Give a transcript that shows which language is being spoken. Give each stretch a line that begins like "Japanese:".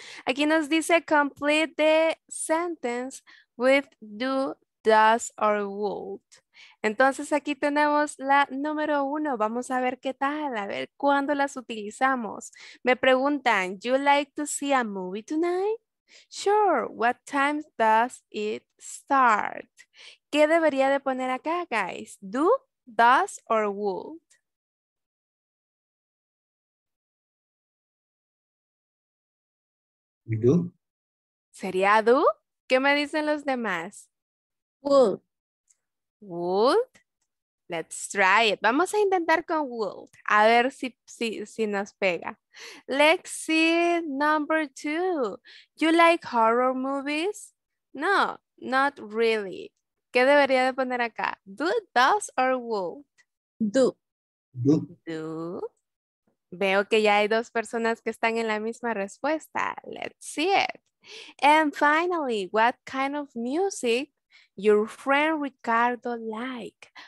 Spanish: Aquí nos dice
English: complete the sentence with do, does, or would.
Spanish: Entonces aquí tenemos la número uno. Vamos a ver qué tal, a ver cuándo las utilizamos. Me preguntan,
English: you like to see a movie tonight? Sure, what time does it start?
Spanish: ¿Qué debería de poner acá, guys?
English: Do, does, or would? Do.
Spanish: ¿Sería do? ¿Qué me dicen los demás?
English: Would. Would? Let's try it.
Spanish: Vamos a intentar con would. A ver si nos pega.
English: Let's see number two. You like horror movies? No, not really.
Spanish: ¿Qué debería de poner acá?
English: Do, does, or would? Do. Do. Do.
Spanish: Veo que ya hay dos personas que están en la misma respuesta.
English: Let's see it. And finally, what kind of music your friend Ricardo like?